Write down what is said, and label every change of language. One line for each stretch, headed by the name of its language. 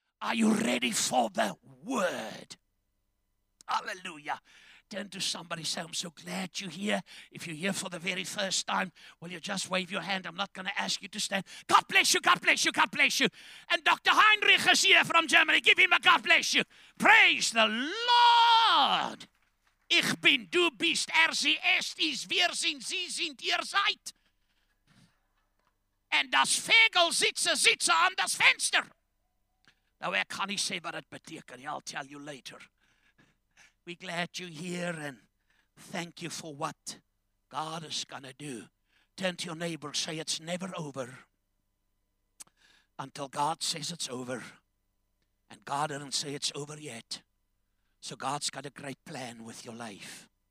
English: Are you ready for the word? Hallelujah. Turn to somebody, say, I'm so glad you're here. If you're here for the very first time, well, you just wave your hand. I'm not going to ask you to stand. God bless you, God bless you, God bless you. And Dr. Heinrich is here from Germany. Give him a God bless you. Praise the Lord.
German: Ich bin, du bist, sie, es ist, wir sind, sie sind, ihr seid. And das Vogel sitze an das Fenster.
English: Now, where can he say what it betekent? I'll tell you later. We're glad you're here and thank you for what God is going to do. Turn to your neighbor, say it's never over until God says it's over. And God didn't say it's over yet. So God's got a great plan with your life.